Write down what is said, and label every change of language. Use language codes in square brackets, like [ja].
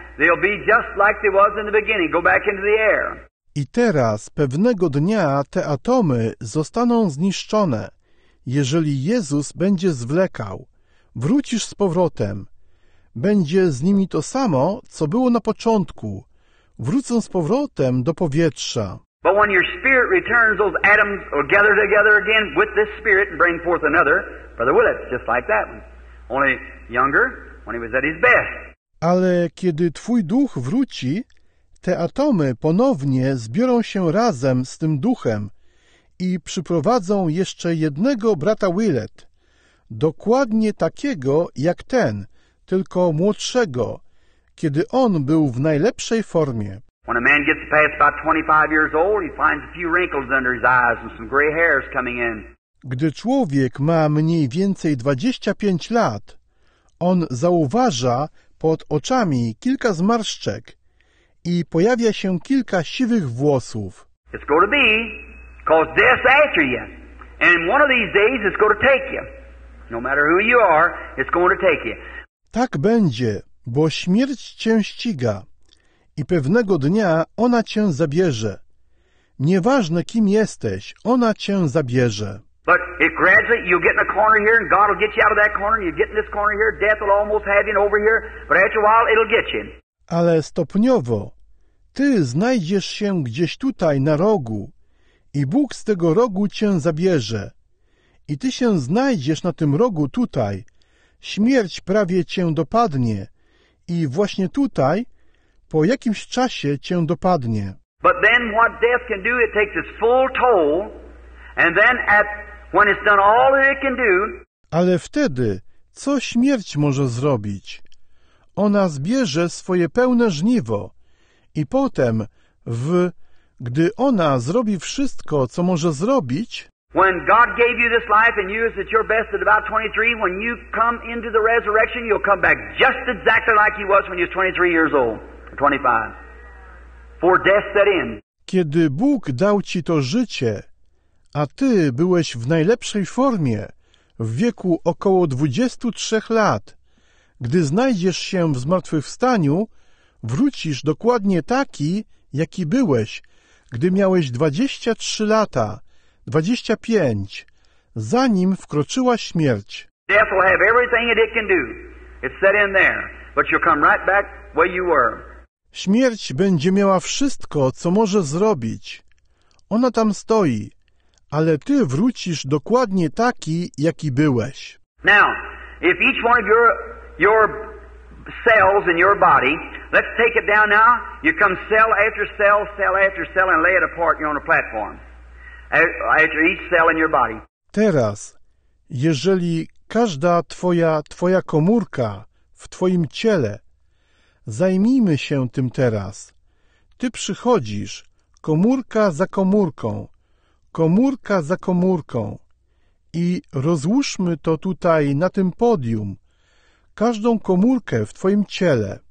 [en] They'll be just like they was in the beginning. Go back into the air. [pl] I teraz pewnego dnia te atomy zostaną zniszczone, jeżeli Jezus będzie zwlekał. Wrócisz z powrotem. Będzie z nimi to samo, co było na początku. Wrócą z powrotem do powietrza. [en] But when your spirit returns, those atoms will gather together again with this spirit and bring forth another, Brother Willett, just like that one. Only younger, when he was at his best. [pl] Ale kiedy twój duch wróci, te atomy ponownie zbiorą się razem z tym duchem i przyprowadzą jeszcze jednego brata Willett, dokładnie takiego jak ten, tylko młodszego, kiedy on był w najlepszej formie. [en] When a man gets past about 25 years old, he finds a few wrinkles under his eyes and some gray hairs coming in. [pl] Gdy człowiek ma mniej więcej 25 lat, on zauważa pod oczami kilka zmarszczek i pojawia się kilka siwych włosów. [en] It's going to be because death's after you. And one of these days it's going to take you. No matter who you are, it's going to take you. [pl] Tak będzie, bo śmierć cię ściga i pewnego dnia ona cię zabierze. Nieważne kim jesteś, ona cię zabierze. [en] But it gradually, you'll get in a corner here and God will get you out of that corner and you get in this corner here, death will almost have you over here, but after a while it'll get you. [pl] Ale stopniowo, ty znajdziesz się gdzieś tutaj na rogu i Bóg z tego rogu cię zabierze. I ty się znajdziesz na tym rogu tutaj, śmierć prawie cię dopadnie i właśnie tutaj po jakimś czasie cię dopadnie. [en] But then what death can do, it takes its full toll. And then at when it's done all that it can do. [pl] Ale wtedy co śmierć może zrobić? Ona zbierze swoje pełne żniwo i potem gdy ona zrobi wszystko co może zrobić. [en] When God gave you this life and you is at your best at about 23, when you come into the resurrection, you'll come back just exactly like you was when you was 23 years old, 25. For death set in. [pl] Kiedy Bóg dał ci to życie, a ty byłeś w najlepszej formie, w wieku około 23 lat. Gdy znajdziesz się w zmartwychwstaniu, wrócisz dokładnie taki, jaki byłeś, gdy miałeś 23 lata, 25, zanim wkroczyła śmierć. [en] Death will have everything that it can do. It's set in there, but you'll come right back where you were. [pl] Śmierć będzie miała wszystko, co może zrobić. Ona tam stoi. Ale ty wrócisz dokładnie taki, jaki byłeś. [en] Now, if each one of your cells in your body, let's take it down now, you come cell after cell, cell after cell, and lay it apart, you're on a platform. After each cell in your body. [pl] Teraz, jeżeli każda twoja komórka w twoim ciele, zajmijmy się tym teraz. Ty przychodzisz, komórka za komórką, komórka za komórką i rozłóżmy to tutaj na tym podium, każdą komórkę w twoim ciele.